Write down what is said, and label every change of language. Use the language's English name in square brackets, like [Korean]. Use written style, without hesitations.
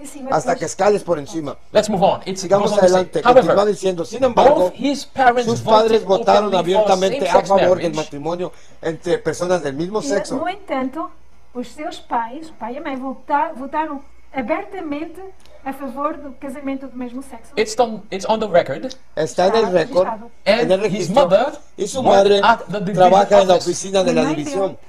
[Spanish] Hasta que escales por encima. [English] Let's move on. [Spanish] Sigamos adelante. Continúa diciendo, sin embargo, sus padres votaron abiertamente a favor del matrimonio entre personas del mismo sexo. [Portuguese] No entanto, os seus pais, pai e mãe, votaram abertamente a favor do casamento do mesmo sexo. [English] It's on the record. [Spanish] Está en el record. [English] And [Spanish] en el [English] his mother [Spanish] y su madre trabaja en la oficina de la división.